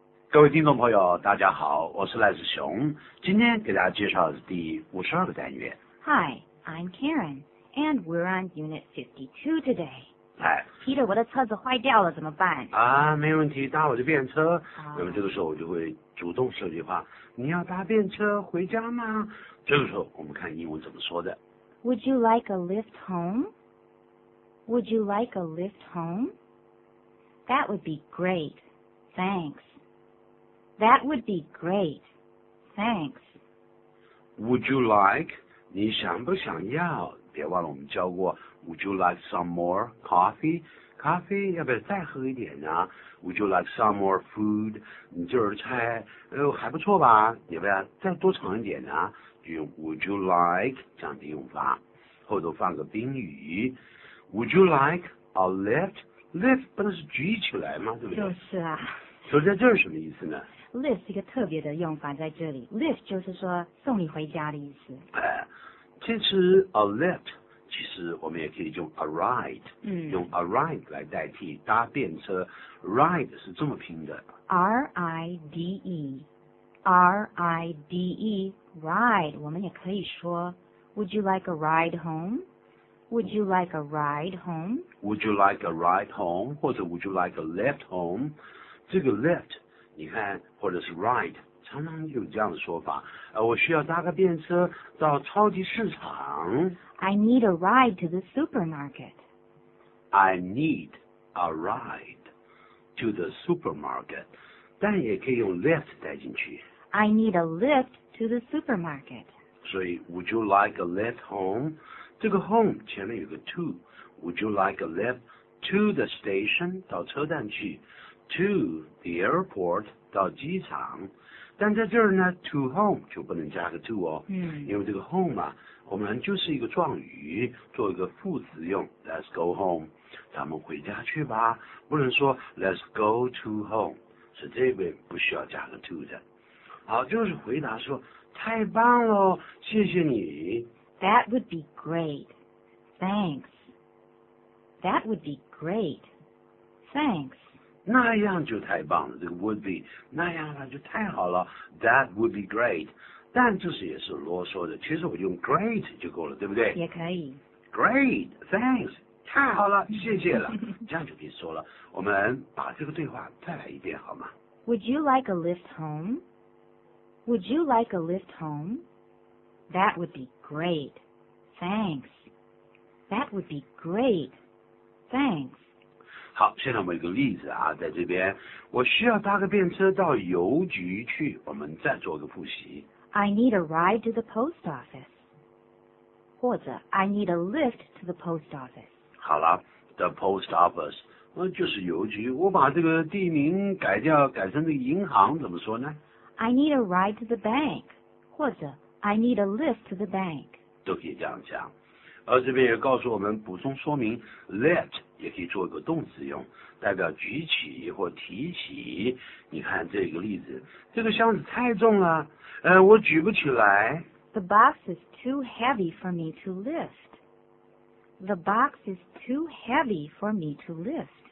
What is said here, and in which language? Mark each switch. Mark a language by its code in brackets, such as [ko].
[zh] 各位听众朋友，大家好，我是赖子雄，今天给大家介绍的是第52个单元。 [en] Hi, I'm Karen, and we're on Unit 52 today. Hi. [zh] Peter, 我的车子坏掉了，怎么办？啊，没问题，搭我的便车。那么这个时候我就会主动说句话，你要搭便车回家吗？这个时候我们看英文怎么说的。 [en] Would you like a lift home? Would you like a lift home? That would be great. Thanks. That would be great. Thanks. Would you like, [zh] 你想不想要，别忘了我们教过 [en] Would you like some more coffee? [zh] 咖啡要不要再喝一点呢 [en] Would you like some more food? [zh] 你这儿菜还不错吧，要不要再多尝一点呢，就用 Would you like 这样的用法，后头放个宾语 [en] Would you like a lift? [zh] Lift 不能是举起来吗，对不对？就是啊，所以在这儿什么意思呢？ Lift 是一个特别的用法，在这里 Lift 就是说送你回家的意思。其实 a lift 其实我们也可以用 a ride、用 a ride 来代替搭便车。 Ride 是这么拼的 [en] R-I-D-E R-I-D-E Ride [zh] 我们也可以说 [en] Would you like a ride home? Would you like a ride home? Would you like a ride home? [zh] 或者 [en] Would you like a lift home? [zh] 这个 lift你看，或者是 ride， 常常有这样的说法。我需要搭个便车到超级市场。 [en] I need a ride to the supermarket. I need a ride to the supermarket. [zh] 但也可以用 lift 带进去。 [en] I need a lift to the supermarket. [zh] 所以 [en] ，Would you like a lift home？ [zh] 这个 home 前面有个 to。 [en] Would you like a lift to the station？ [zh] 到车站去。 [en] To the airport [zh] 到机场，但在这儿呢 ，to home 就不能加个 to 哦，因为这个 home 啊，我们就是一个状语，做一个副词用。 [en] Let's go home， [zh] 咱们回家去吧，不能说 [en] Let's go to home， [zh] 是这边不需要加个 to 的。好，就是回答说太棒了，谢谢你。 [en] That would be great. Thanks. That would be great. Thanks. [zh] 那样就太棒了，这个 would be 那样的话就太好了 ， [en] that would be great。 [zh] 但这是也是啰嗦的，其实我用 great 就够了，对不对？也可以。 [en] Great, thanks， [zh] 太好了，谢谢了，这样就可以说了。我们把这个对话再来一遍好吗 [en] ？Would you like a lift home? Would you like a lift home? That would be great. Thanks. That would be great. Thanks. [zh] 好，现在我们有个例子啊，在这边，我需要搭个便车到邮局去。我们再做个复习。 [en] I need a ride to the post office. [zh] 或者 [en] I need a lift to the post office. [zh] 好了 ，the post office， 就是邮局。我把这个地名改掉，改成这个银行，怎么说呢 [en] ？I need a ride to the bank. [zh] 或者 [en] I need a lift to the bank. [zh] 都可以这样讲。而这边也告诉我们，补充说明 ，lift 也可以做一个动词用，代表举起或提起。你看这个例子，这个箱子太重了，我举不起来。 [en] The box is too heavy for me to lift. The box is too heavy for me to lift.